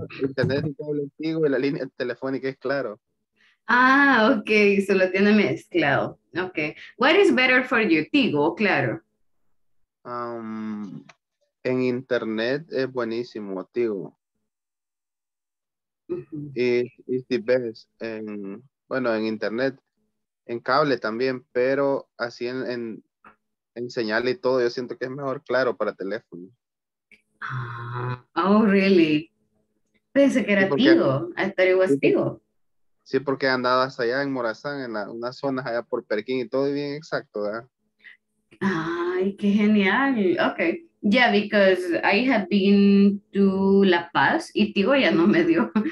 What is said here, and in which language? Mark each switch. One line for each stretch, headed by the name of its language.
Spanish: Y internet y cable antiguo y la línea telefónica es Claro. Ah, okay, so lo tiene mezclado. Okay.
English: What is better for you, Tigo o Claro?
Spanish: En internet es buenísimo, Tigo. Uh-huh. Y si ves, en internet, en cable también, pero así en señal y todo, yo siento que es mejor Claro para teléfono.
English: Oh, really?
Spanish: Pensé que era sí,
English: Tigo. I thought it was Tigo.
Spanish: Sí, porque andaba hasta allá en Morazán, en unas zonas allá por Perquín y todo bien exacto, ¿verdad? Ay, qué genial. Ok.
English: Yeah, because I have been to La Paz
Spanish: y Tigo ya no me dio.